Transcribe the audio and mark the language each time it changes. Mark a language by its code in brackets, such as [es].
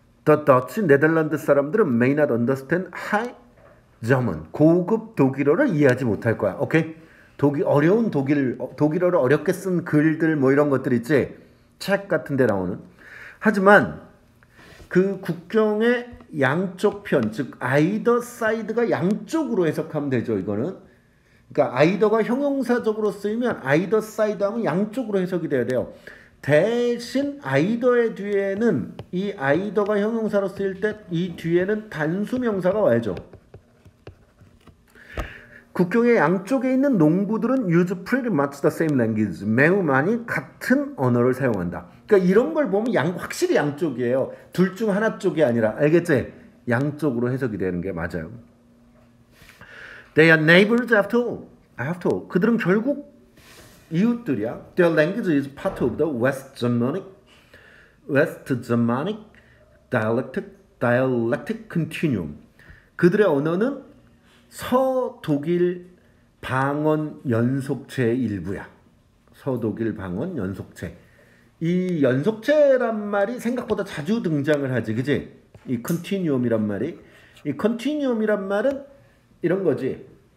[en] The Dutch Netherlands [ko] 사람들은 [en] may not understand high German. [ko] 고급 독일어를 이해하지 못할 거야. 오케이? 독일 어려운 독일 독일어를 어렵게 쓴 글들 뭐 이런 것들 있지? 책 같은 데 나오는. 하지만 그 국경의 양쪽 편, 즉 either side가 양쪽으로 해석하면 되죠, 이거는. 그러니까 either가 형용사적으로 쓰이면 either side 하면 양쪽으로 해석이 돼야 돼요. 대신 either의 뒤에는 이 either가 형용사로 쓰일 때 이 뒤에는 단수 명사가 와야죠. 국경의 양쪽에 있는 농부들은 [en] use pretty much the same language. [ko] 매우 많이 같은 언어를 사용한다. 그러니까 이런 걸 보면 확실히 양쪽이에요. 둘 중 하나 쪽이 아니라. 알겠지? 양쪽으로 해석이 되는 게 맞아요. [en] They are neighbors after all. After all. [ko] 그들은 결국 이웃들이야. [en] Their language is part of the West Germanic dialectic continuum. [ko] 그들의 언어는 서독일 방언 연속체의 일부야. 서독일 방언 연속체. 이 연속체란 말이 생각보다 자주 등장을 하지, 그지? 이 컨티뉴엄이란 말이. 이 컨티뉴엄이란 말은 이런 거지.